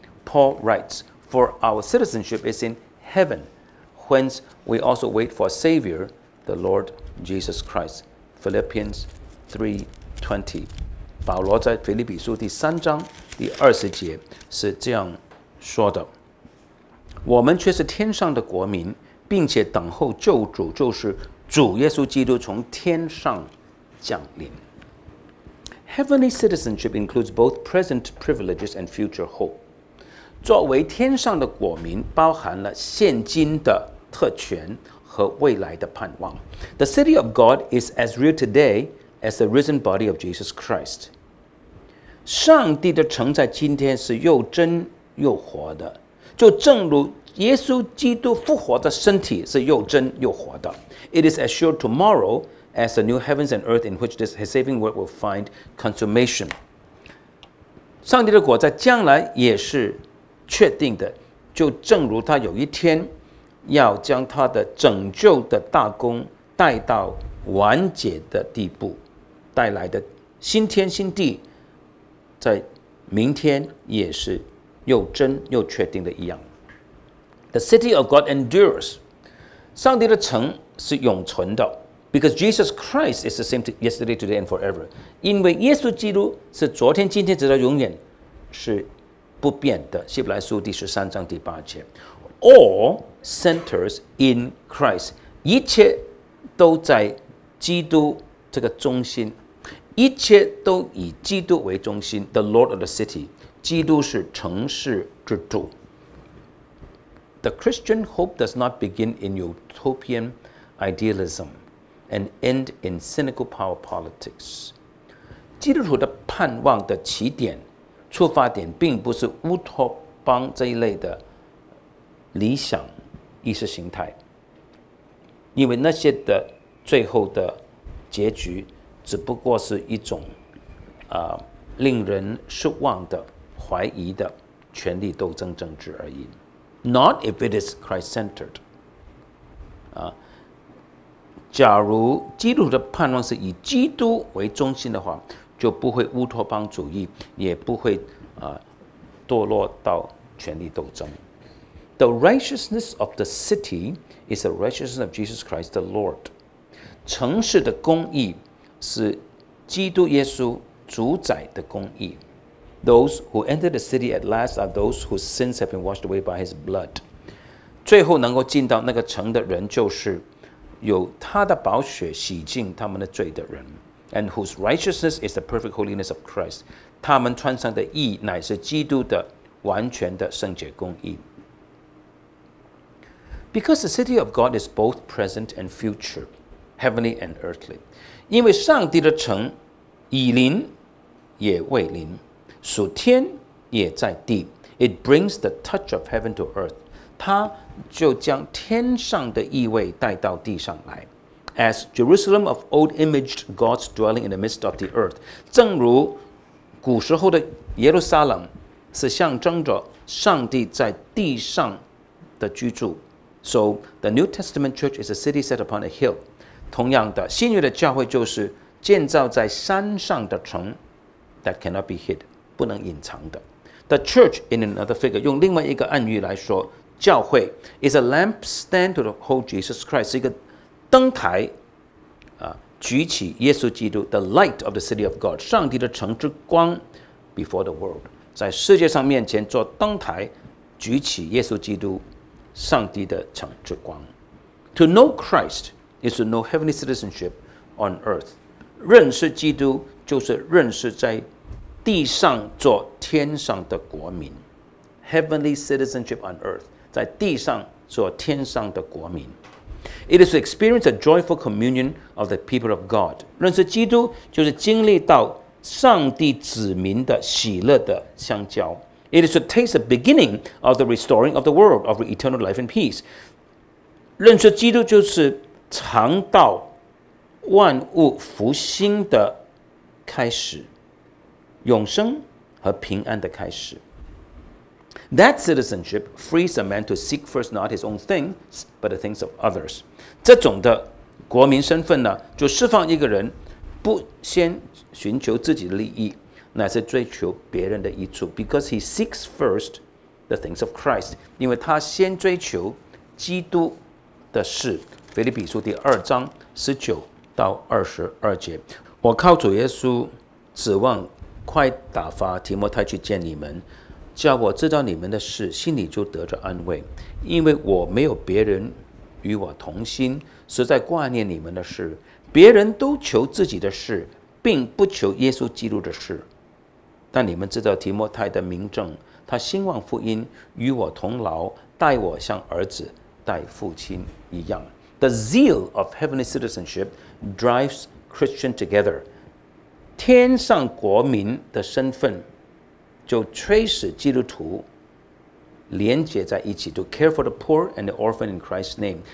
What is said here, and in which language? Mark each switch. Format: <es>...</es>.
<en>Paul writes, "For our citizenship is in heaven, whence we also wait for a Savior, the Lord Jesus Christ." Philippians 3:20.</en> <zh>保罗在腓立比书第三章第二十节是这样说的：我们却是天上的国民，并且等候救主，就是主耶稣基督从天上降临。</zh> <en>Heavenly citizenship includes both present privileges and future hope.</en> <zh>作为天上的国民，包含了现今的特权和未来的盼望。</zh> <en>The city of God is as real today as the risen body of Jesus Christ.</en> <zh>上帝的城在今天是又真又活的，就正如耶稣基督复活的身体是又真又活的。</zh> <en>It is as sure tomorrow as the new heavens and earth in which this his saving work will find consummation.</en> <zh>上帝的国在将来也是确定的，就正如他有一天要将他的拯救的大功带到完结的地步，带来的新天新地在明天也是又真又确定的一样。</zh> <en>The city of God endures.</en> <zh>上帝的城是永存的。</zh> <en>Because Jesus Christ is the same yesterday, today, and forever.</en> <zh>因为耶稣基督是昨天、今天、直到永远，是不变的。希伯来书第十三章第八节。</zh> <en>All centers in Christ.</en> <zh>一切都在基督这个中心，一切都以基督为中心。</zh> <en>The Lord of the city.</en> <zh>基督是城市之主。</zh> <en>The Christian hope does not begin in utopian idealism. And end in cynical power politics.</en> <zh>基督徒的盼望的起点、出发点，并不是乌托邦这一类的理想意识形态，因为那些的最后的结局，只不过是一种令人失望的、怀疑的权力斗争政治而已。</zh> <en>Not if it is Christ-centered.</en> <zh>假如基督的盼望是以基督为中心的话，就不会乌托邦主义，也不会堕落到权力斗争。</zh> <en>The righteousness of the city is the righteousness of Jesus Christ the Lord.</en> <zh>城市的公义是基督耶稣主宰的公义。</zh> <en>Those who enter the city at last are those whose sins have been washed away by his blood.</en> <zh>最后能够进到那个城的人就是有他的宝血洗净他们的罪的人</zh> <en>and whose righteousness is the perfect holiness of Christ.</en> <zh>他们穿上的义乃是基督的完全的圣洁公义。</zh> <en>Because the city of God is both present and future, heavenly and earthly.</en> <zh>因为上帝的城已临也未临，属天也在地。</zh> <en>It brings the touch of heaven to earth.</en> <zh>他就将天上的意味带到地上来</zh> <en>As Jerusalem of old imaged God's dwelling in the midst of the earth</en> <zh>正如古时候的耶路撒冷是象征着上帝在地上的居住</zh> <en>So the New Testament church is a city set upon a hill</en> <zh>同样的新约的教会就是建造在山上的城</zh> <en>That cannot be hid</en> <zh>不能隐藏的</zh> <en>The church in another figure</en> <zh>用另外一个暗喻来说教会</zh> <en>is a lampstand to the whole Jesus Christ,</en> <zh>是一个灯台，举起耶稣基督</zh> <en>the light of the city of God,</en> <zh>上帝的城之光</zh> <en>before the world,</en> <zh>在世界上面前做灯台，举起耶稣基督，上帝的城之光。</zh> <en>To know Christ is to know heavenly citizenship on earth.</en> <zh>认识基督就是认识在地上做天上的国民</zh> <en>heavenly citizenship on earth.</en> <zh>在地上做天上的国民</zh> <en>It is to experience a joyful communion of the people of God</en> <zh>认识基督就是经历到上帝子民的喜乐的相交</zh> <en>It is to taste the beginning of the restoring of the world of eternal life and peace</en> <zh>认识基督就是尝到万物复兴的开始永生和平安的开始</zh> <en>That citizenship frees a man to seek first not his own things, but the things of others.</en> <zh>这种的国民身份呢，就释放一个人不先寻求自己的利益，乃是追求别人的益处。</zh> <en>Because he seeks first the things of Christ.</en> <zh>因为他先追求基督的事。腓立比书第二章十九到二十二节，我靠主耶稣指望快打发提摩太去见你们。叫我知道你们的事，心里就得着安慰，因为我没有别人与我同心，实在挂念你们的事。别人都求自己的事，并不求耶稣基督的事。但你们知道提摩太的名正，他兴旺福音，与我同劳，待我像儿子待父亲一样。</zh> <en>The zeal of heavenly citizenship drives Christians together.</en> <zh>天上国民的身份。就催使基督徒连接在一起</zh> <en>to care for the poor and the orphan in Christ's name</en>